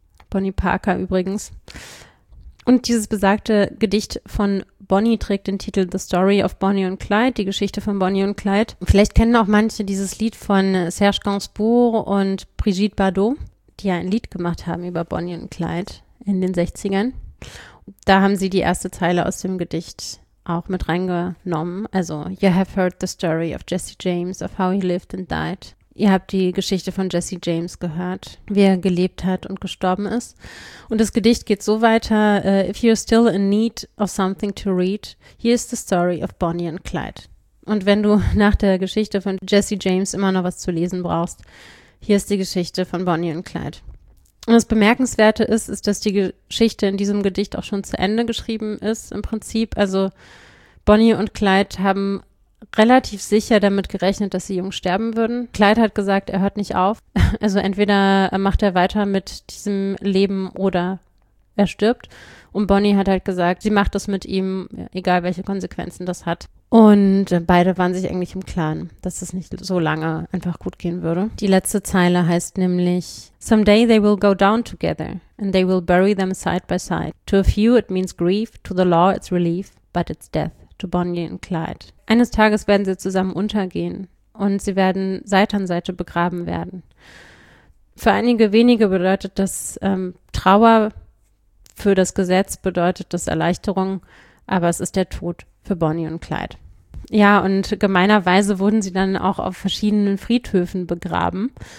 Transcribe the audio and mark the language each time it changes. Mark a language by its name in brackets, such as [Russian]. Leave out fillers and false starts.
[German] Bonnie Parker übrigens. Und dieses besagte Gedicht von Bonnie trägt den Titel The Story of Bonnie and Clyde, die Geschichte von Bonnie und Clyde. Vielleicht kennen auch manche dieses Lied von Serge Gainsbourg und Brigitte Bardot, die ja ein Lied gemacht haben über Bonnie und Clyde in den 60ern. Da haben sie die erste Zeile aus dem Gedicht auch mit reingenommen. [English] Also, you have heard the story of Jesse James, of how he lived and died. [German] Ihr habt die Geschichte von Jesse James gehört, wie er gelebt hat und gestorben ist. Und das Gedicht geht so weiter. [English] If you're still in need of something to read, here's the story of Bonnie and Clyde. [German] Und wenn du nach der Geschichte von Jesse James immer noch was zu lesen brauchst, hier ist die Geschichte von Bonnie und Clyde. Und das Bemerkenswerte ist, dass die Geschichte in diesem Gedicht auch schon zu Ende geschrieben ist im Prinzip. Also Bonnie und Clyde haben relativ sicher damit gerechnet, dass sie jung sterben würden. Clyde hat gesagt, er hört nicht auf. Also entweder macht er weiter mit diesem Leben oder er stirbt. Und Bonnie hat halt gesagt, sie macht das mit ihm, egal welche Konsequenzen das hat. Und beide waren sich eigentlich im Klaren, dass es nicht so lange einfach gut gehen würde. Die letzte Zeile heißt nämlich, [English] someday they will go down together and they will bury them side by side. To a few it means grief, to the law it's relief, but it's death to Bonnie and Clyde. [German] Eines Tages werden sie zusammen untergehen und sie werden Seite an Seite begraben werden. Für einige wenige bedeutet das Trauer, für das Gesetz bedeutet das Erleichterung, aber es ist der Tod für Bonnie und Clyde. Ja, und gemeinerweise wurden sie dann auch auf verschiedenen Friedhöfen begraben.